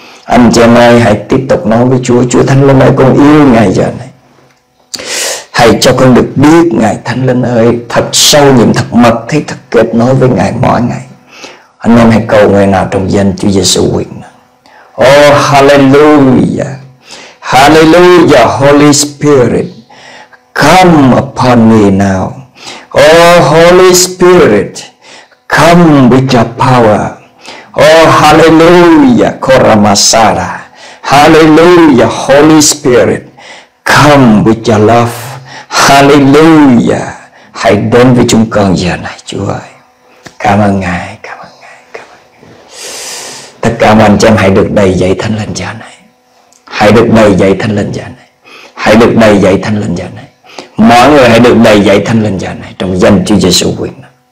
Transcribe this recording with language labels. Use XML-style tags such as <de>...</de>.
<vi>Anh chị em ơi, hãy tiếp tục nói với Chúa. Chúa Thánh Linh ơi, con yêu Ngài giờ này. Hãy cho con được biết Ngài Thánh Linh ơi, thật sâu nhiệm, thật mật thiết, thật kết nối với Ngài mỗi ngày. Anh em hãy cầu nguyện nào trong danh Chúa Giêsu quyền năng.</vi> <en>Oh hallelujah. Hallelujah, Holy Spirit, come upon me now. Oh Holy Spirit, come with your power. Oh hallelujah, Koramasara. Hallelujah, Holy Spirit, come with your love. Hallelujah.</en> <vi>Hãy đến với chúng con giờ này Chúa ơi. Cảm ơn Ngài, cảm ơn Ngài, cảm ơn Ngài. Tất cả mọi anh chị em hãy được đầy dậy Thánh Linh giờ này. Hãy được đầy dậy Thánh Linh giờ này. Hãy được đầy dậy Thánh Linh giờ này. Mọi người hãy được đầy dậy Thánh Linh giờ này trong danh Chúa Giêsu quyền năng.</vi>